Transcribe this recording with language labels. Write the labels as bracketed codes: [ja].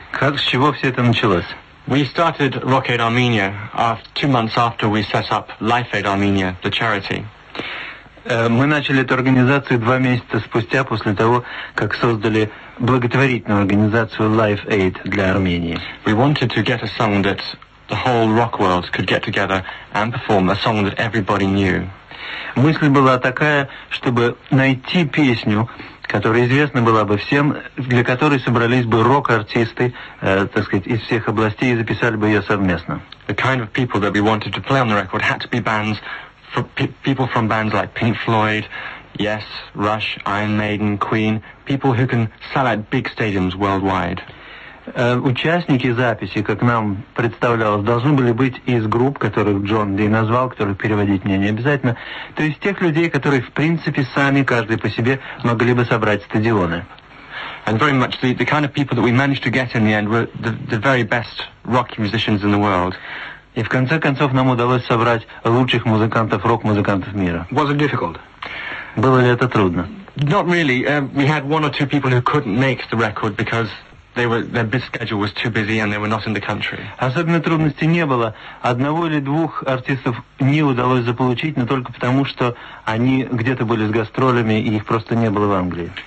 [ru] Как, с чего все это началось? [en] We started Rock Aid Armenia 2 months after we set up Life Aid Armenia, the charity. [ru] Мы начали эту организацию 2 месяца спустя после того, как создали благотворительную организацию Life Aid для Армении. [en] We wanted to get a song that the whole rock world could get together and perform, a song that everybody knew. [ru] Мысль была такая, чтобы найти песню, которая известна была бы всем, для которой собрались бы рок-артисты, так сказать, из всех областей и записали бы ее совместно. [en] The kind of people that we wanted to play on the record had to be bands, people from bands like Pink Floyd, Yes, Rush, Iron Maiden, Queen, people who can sell out big stadiums worldwide. [ru] Участники записи, как нам представлялось, должны были быть из групп, которых Джон Ди назвал, которых переводить мне не обязательно. То есть тех людей, которые, в принципе, сами, каждый по себе, могли бы собрать стадионы. [en] And very much the kind of people that we managed to get in the end were the very best rock musicians in the world. [ru] И в конце концов нам удалось собрать лучших музыкантов, рок-музыкантов мира. [en] Was it difficult? [ru] Было ли это трудно? [en] Not really. We had one or two people who couldn't make the record because their schedule was too busy and they were not in the country. [ru] Особенно трудностей не было. Одного или двух артистов не удалось заполучить, но только потому, что они где-то были с гастролями и их просто не было в Англии.